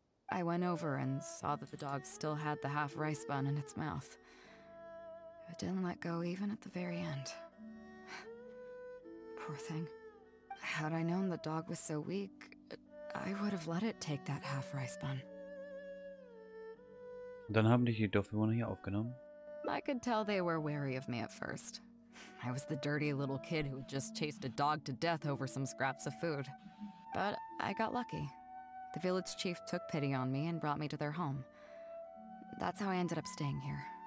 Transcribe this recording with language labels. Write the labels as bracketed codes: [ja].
[en] I went over and saw that the dog still had the half rice bun in its mouth. It didn't let go even at the very end. Poor thing. Had I known the dog was so weak, I would have let it take that half rice bun. [de] Dann haben dich die Dorfbewohner hier aufgenommen. [en] I could tell they were wary of me at first. I was the dirty little kid who just chased a dog to death over some scraps of food. But I got lucky. The village chief took pity on me and brought me to their home. That's how I ended up staying here.